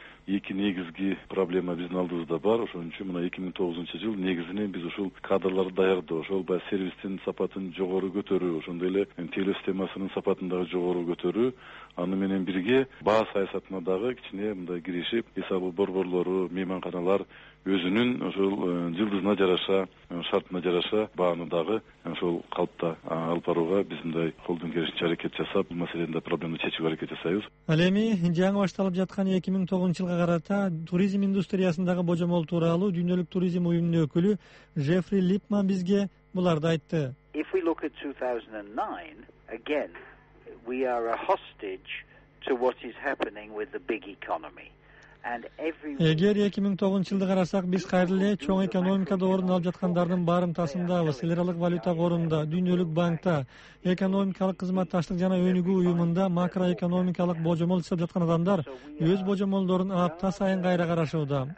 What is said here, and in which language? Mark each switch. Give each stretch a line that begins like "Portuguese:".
Kyrgyz: Эки негизги проблема биздин алдыбызда бар. Ошон үчүн мына 2009 жыл негизинен биз ушул кадрларды даярдоо, ошол баягы сервистин сапатын жогору көтөрүү, ошондой эле телөө системасынын сапатын дагы жогору көтөрүү, аны менен бирге баа саясатына дагы кичине мындай киришип, эс алуу борборлору, мейманканалар өзүнүн ошол жылдызына жараша, шартына жараша бааны дагы ошол калыпта алып барууга биз мындай колдон келишинче аракет жасап, бул маселени да проблеманы чечүүгө аракет жасайбыз. Ал эми жаңы башталып жаткан 2009 жылга карата туризм индустриясындагы божомол тууралуу дүйнөлүк туризм уюмунун өкүлү Жефри Липман бизге буларды айтты.
English: If we look at 2009 again, we are a hostage to what is happening with the big economy.
Kyrgyz: Эгер 2009 жылды карасак, биз кайра эле чоң экономикада орун алып жаткандардын барымтасындабыз. Эл аралык валюта корунда, дүйнөлүк банкта, экономикалык кызматташтык жана өнүгүү уюмунда макроэкономикалык божомол жасап жаткан адамдар өз божомолдорун апта сайын кайра карашууда.